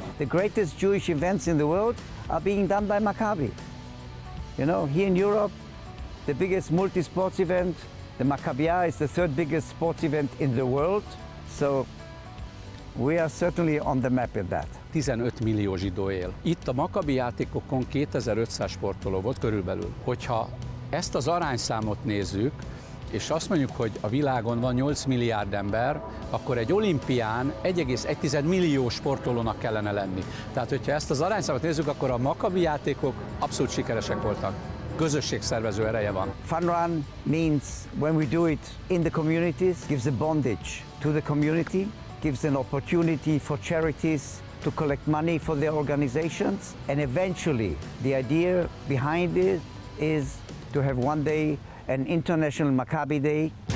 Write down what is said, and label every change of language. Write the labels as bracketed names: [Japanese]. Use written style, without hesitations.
[English] The greatest Jewish events in the world are being done by Maccabi. You know, here in Europe, the biggest multi-sports event, the Maccabia is the third biggest sports event in the world. So we are certainly on the map in that. [Hungarian] 15 millió zsidó él. Itt a Maccabi játékokon 2500 sportoló volt körülbelül. Hogyha ezt az arányszámot nézzük, és azt mondjuk, hogy a világon van 8 milliárd ember, akkor egy olimpián 1,1 millió sportolónak kellene lenni. Tehát, hogyha ezt az arányszámot nézzük, akkor a Maccabi játékok abszolút sikeresek voltak. Közösségszervező ereje van. [English] Fun run means when we do it in the communities, gives a bondage to the community, gives an opportunity for charities to collect money for their organizations, and eventually the idea behind it is to have one day an international Maccabi Day.